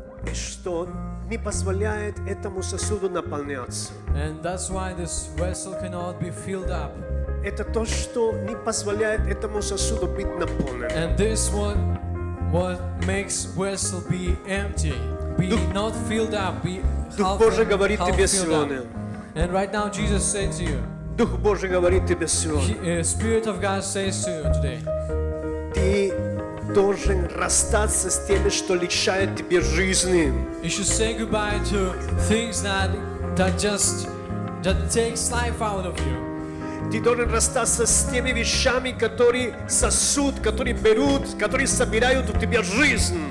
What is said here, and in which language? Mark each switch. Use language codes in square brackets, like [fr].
[ru] И что не позволяет этому сосуду наполняться? [en] And that's why this vessel cannot be filled up. [ru] Это то, что не позволяет этому сосуду быть наполненным. [en] And this one, what makes vessel be empty, be not filled up, be half filled up. And right now Jesus said to you, [ru] Дух Божий говорит тебе сегодня. [en] Spirit of God says to you today. [ru] Ты должен расстаться с теми, что лишают тебе жизни. [en] You should say goodbye to things that takes life out of you. [ru] Ты должен расстаться с теми вещами, которые сосут, которые берут, которые собирают у тебя жизнь.